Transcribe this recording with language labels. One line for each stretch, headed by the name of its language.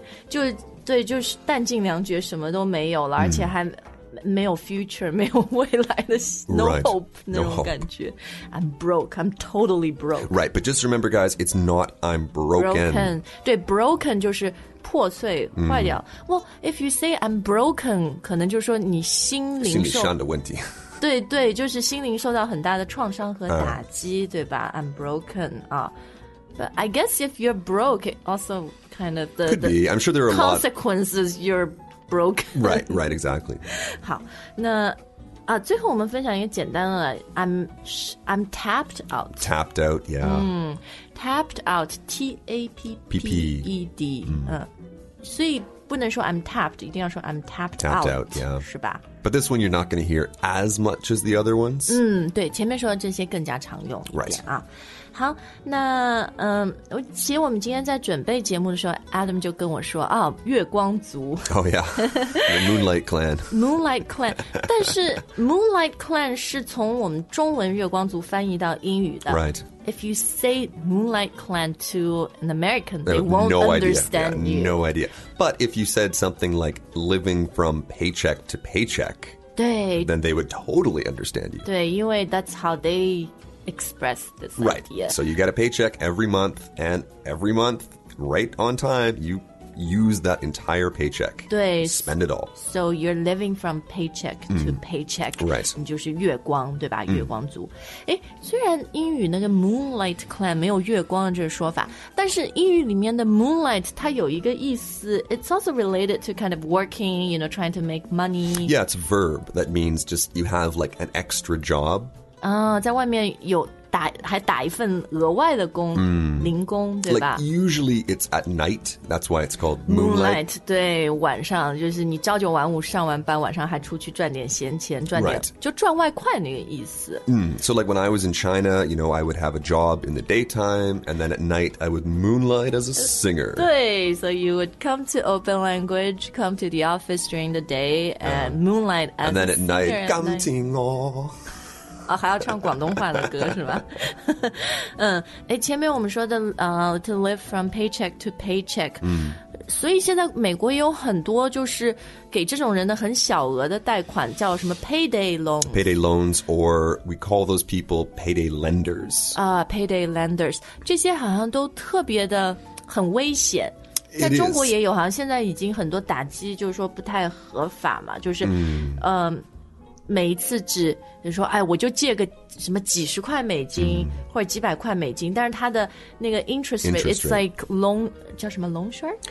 Chinese: 就对，就是弹尽粮绝，什么都没有了、mm. 而且还没有 future, 没有未来的 no、
English: right. hope
Chinese: 那种感觉、
English: no、 I'm broke, I'm totally broke. Right, but just remember guys, it's not I'm broken.
Chinese: 对 broken 就是破碎、mm.
English: 坏掉 Well, if you say I'm broken,
Chinese: 可能就是说你心灵上的问题对对就是心灵受到很大的创伤和打击、对吧
English: I'm broken、But I guess if you're broke, it also kind of the, could be, I'm sure there are a lot consequences you'rebroken. Right, right, exactly.
Chinese: 好，那啊，最后我们分享一个简单的 I'm tapped out.
English: Tapped out, yeah.
Chinese: 嗯，tapped out, T-A-P-P-E-D. 嗯，所以不能说 I'm tapped, 一定要说 I'm tapped
English: out, yeah.
Chinese: 是吧？
English: But this one you're not going to hear as much as the other ones.
Chinese: 嗯，对，前面说的这些更加常用一点啊。好，那嗯，其实我们今天在准备节目的时候 ，Adam 就跟我说啊、哦，月光族。
English: Oh yeah, the Moonlight Clan.
Chinese: Moonlight Clan, 但是 Moonlight Clan 是从我们中文月光族翻译到英语的。
English: Right. If you say Moonlight Clan to an American, they won't understand you. No idea. But if you said something like living from paycheck to paycheck,
Chinese: 对
English: then they would totally understand you. 对，因为 that's how they. Express this idea. Right. So you get a paycheck every month, and every month, right on time, you use that entire paycheck. 对 Spend it all. So you're living from paycheck to paycheck. Right.
Chinese: 你就是月光，对吧？月光族。哎，虽然英语那个 Moonlight Clan 没有月光的这个说法，但是英语里面的 Moonlight 它有一个意思。
English: It's also related to kind of working, you know, trying to make money. Yeah, it's a verb that means just you have like an extra job.
Chinese: 在外面有打还打一份额外的工、 mm. 零工对吧
English: like, usually it's at night, that's why it's called moonlight.
Chinese: 对晚上就是你朝九晚五上完班晚上还出去赚点闲钱赚点、
English: right.
Chinese: 就赚外快那个意思、 mm.
English: So like when I was in China, you know, I would have a job in the daytime and then at night I would moonlight as a singer. 对 so you would come to Open Language, come to the office during the day and moonlight as a singer. And then at night,
Chinese: 钢琴哦哦、还要唱广东话的歌是吧嗯诶前面我们说的
English: to live from paycheck to paycheck、 mm.
Chinese: 所以现在美国也有很多就是给这种人的很小额的贷款叫什么 payday loans
English: payday loans or we call those people payday lenders
Chinese: payday lenders 这些好像都特别的很危险在中国也有好像现在已经很多打击就是说不太合法嘛就是、 mm. 每一次只就说哎我就借个什么几十块美金、mm. 或者几百块美金但是它的那个 interest rate
English: it's like loan
Chinese: 叫什么 loan shark